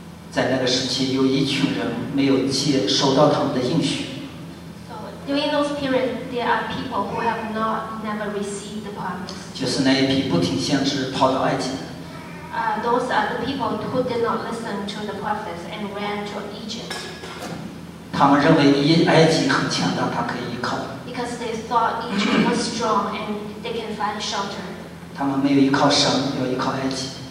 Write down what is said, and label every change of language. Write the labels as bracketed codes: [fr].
[zh] 在那个时期，有一群人没有接收到他们的应许。 [en] So during those periods, there are people who have not never received the promise. [zh] 就是那一批不听先知跑到埃及的。 [en] Those are the people who did not listen to the prophets and ran to Egypt. [zh] 他们认为埃及很强大，他可以依靠。 [en] Because they thought Egypt was strong and they can find shelter. [zh] 他们没有依靠神，要依靠埃及。